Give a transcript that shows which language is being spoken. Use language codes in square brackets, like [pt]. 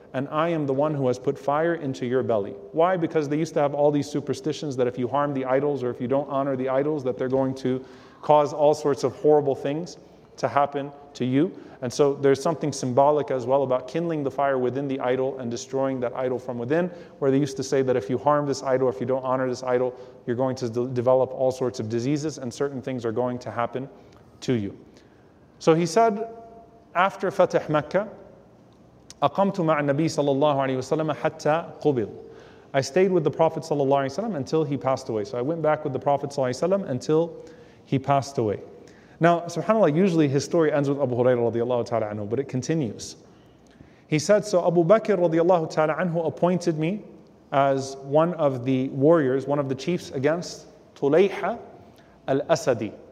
[en] and I am the one who has put fire into your belly. Why? Because they used to have all these superstitions that if you harm the idols or if you don't honor the idols, that they're going to cause all sorts of horrible things to happen to you. And so there's something symbolic as well about kindling the fire within the idol and destroying that idol from within, where they used to say that if you harm this idol, if you don't honor this idol, you're going to develop all sorts of diseases and certain things are going to happen to you. So he said, after Fatih Mecca, [ar] أَقَمْتُ مَعَ النَّبِي صَلَى اللَّهُ عَلَيْهِ وَسَلَّمَ حَتَّى قُبِلْ. [en] I stayed with the Prophet صلى الله عليه وسلم until he passed away. So I went back with the Prophet صلى الله عليه وسلم until he passed away. Now, subhanAllah, usually his story ends with Abu Hurairah radiallahu ta'ala anhu, but it continues. He said, so Abu Bakr radiallahu ta'ala anhu appointed me as one of the warriors, one of the chiefs against Tulayha al-Asadi.